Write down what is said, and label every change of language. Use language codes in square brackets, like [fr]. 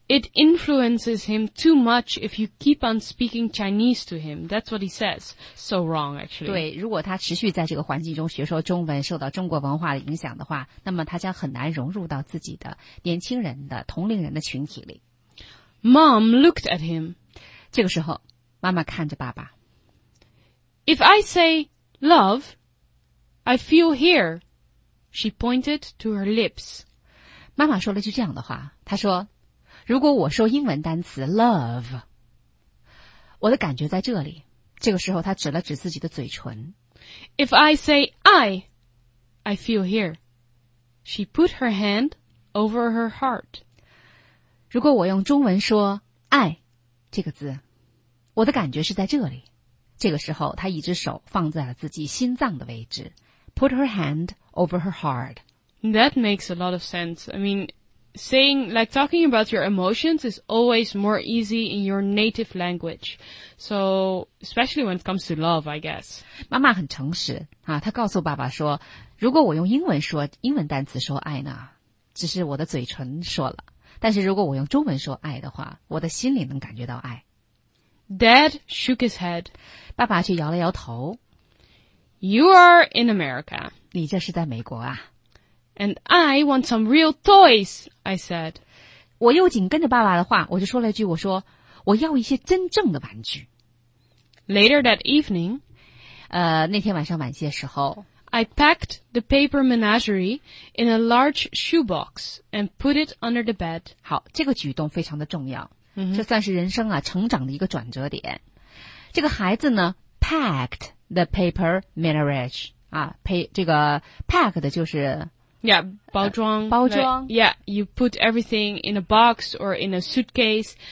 [en] It influences him too much if you keep on speaking Chinese to him. That's what he says. So wrong, actually. [zh] 对，如果他持续在这个环境中学说中文，受到中国文化的影响的话，那么他将很难融入到自己的年轻人的同龄人的群体里。 [en] Mom looked at him. [zh] 这个时候，妈妈看着爸爸。 [en] If I say love, I feel here. She pointed to her lips. [zh] 妈妈说了句这样的话，她说如果我说英文单词 love, 我的感觉在这里。这个时候他指了指自己的嘴唇。 [en] If I say I feel here. She put her hand over her heart. [zh] 如果我用中文说爱这个字，我的感觉是在这里。这个时候他一只手放在了自己心脏的位置。 [en] Put her hand over her heart. That makes a lot of sense. I mean,Saying, like talking about your emotions is always more easy in your native language. So, especially when it comes to love, I guess. [zh] 妈妈很诚实啊，她告诉爸爸说，如果我用英文说，英文单词说爱呢，只是我的嘴唇说了。但是如果我用中文说爱的话，我的心里能感觉到爱。 [en] Dad shook his head. [zh] 爸爸却摇了摇头。 [en] You are in America. [zh] 你这是在美国啊。 [en] And I want some real toys, I said. [zh] 我又紧跟着爸爸的话，我就说了一句，我说，我要一些真正的玩具。 [en] Later that evening, [zh] 那天晚上晚些时候， [en] I packed the paper menagerie in a large shoebox and put it under the bed. [zh] 好，这个举动非常的重要，这算是人生啊，成长的一个转折点。这个孩子呢， [en] packed the paper menagerie, [zh] 这个 pack 的就是 Yeah, 包装。包装。 [en] Like, yeah, you put everything in a box or in a suitcase.